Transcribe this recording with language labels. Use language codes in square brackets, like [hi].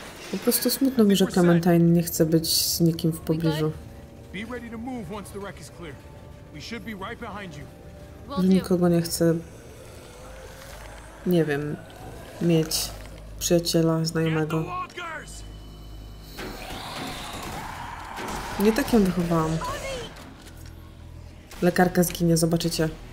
[pl] Po prostu smutno mi, że Clementine nie chce być z nikim w pobliżu. [en] Be ready to move once the wreck is clear. We should be right behind you. [pl] Że nikogo nie chce, nie wiem, mieć przyjaciela, znajomego. Nie tak ją wychowałam. Lekarka zginie, zobaczycie.